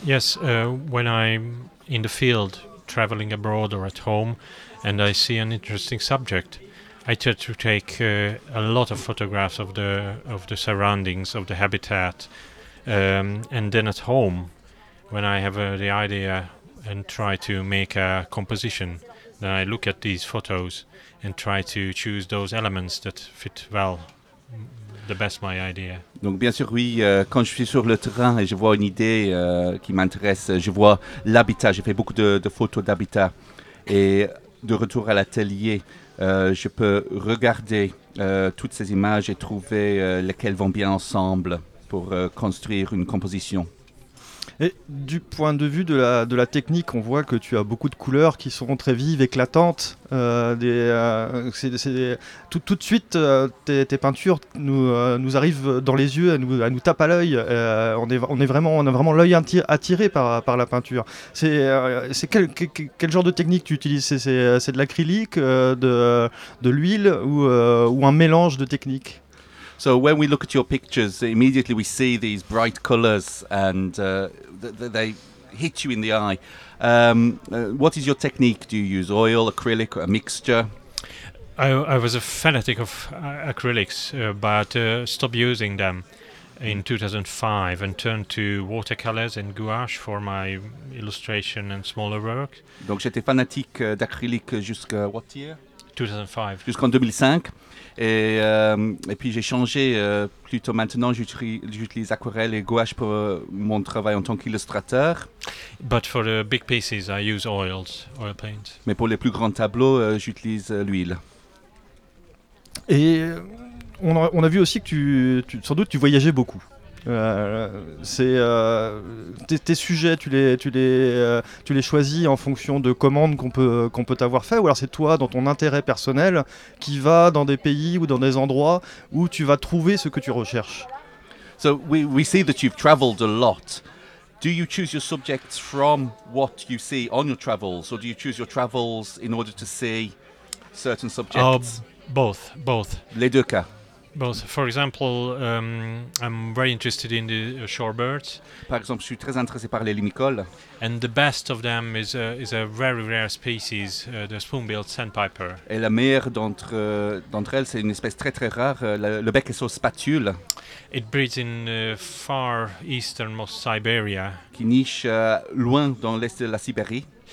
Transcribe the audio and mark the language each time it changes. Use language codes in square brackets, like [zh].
[en] When I'm in the field, traveling abroad or at home, and I see an interesting subject, I try to take a lot of photographs of the surroundings, of the habitat, and then at home, when I have the idea and try to make a composition, then I look at these photos and try to choose those elements that fit well. The best my idea. [fr] Donc bien sûr oui, quand je suis sur le terrain et je vois une idée qui m'intéresse, je vois l'habitat, j'ai fait beaucoup de photos d'habitat, et de retour à l'atelier, je peux regarder toutes ces images et trouver lesquelles vont bien ensemble pour construire une composition. Et du point de vue de la technique, on voit que tu as beaucoup de couleurs qui sont très vives, éclatantes. Tout de suite, tes peintures nous arrivent dans les yeux, elles nous tapent à l'œil. On a vraiment l'œil attiré par la peinture. C'est quel genre de technique tu utilises? C'est de l'acrylique, de l'huile ou un mélange de techniques? [en] So when we look at your pictures, immediately we see these bright colors and they hit you in the eye. What is your technique? Do you use oil, acrylic, or a mixture? I was a fanatic of acrylics, but stopped using them in 2005 and turned to watercolors and gouache for my illustration and smaller work. Donc j'étais fanatique d'acrylique jusqu'à what year? 2005. [fr] Jusqu'en 2005. Et puis j'ai changé, plutôt maintenant j'utilise aquarelle et gouache pour mon travail en tant qu'illustrateur. [en] But for the big pieces, I use oils, oil paint. [fr] Mais pour les plus grands tableaux, j'utilise l'huile. Et on a vu aussi que tu voyageais beaucoup. Tes sujets, tu les choisis en fonction de commandes qu'on peut t'avoir fait, ou alors c'est toi, dans ton intérêt personnel, qui va dans des pays ou dans des endroits où tu vas trouver ce que tu recherches? [en] So we see that you've traveled a lot. Do you choose your subjects from what you see on your travels, or do you choose your travels in order to see certain subjects? Both. [fr] Les deux cas. [en] Both. For example, I'm very interested in the shorebirds. [fr] Par exemple, je suis très intéressé par les limicoles. [en] And the best of them is a very rare species, the spoon-billed sandpiper. [fr] Et la meilleure d'entre elles, c'est une espèce très très rare, le bec est sur spatule. [en] It breeds in far easternmost Siberia. [fr] Qui niche loin dans l'est de la Sibérie.